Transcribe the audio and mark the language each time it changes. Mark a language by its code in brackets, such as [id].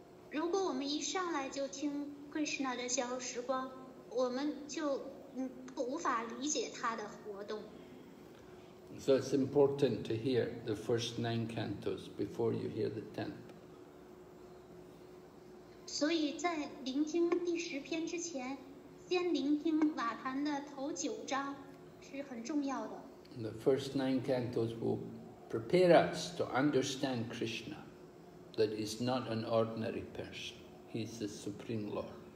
[zh] 如果我们一上来就听 Krishna的逍遥时光, 我们就无法理解他的活动。 [en] So it's important to hear the first 9 cantos before you hear the 10th. [zh] 所以在聆听第十篇之前, 先聆听瓦坛的头九章是很重要的。 [en] The first 9 cantos will prepare us to understand Krishna, that he's not an ordinary person, he's the Supreme Lord.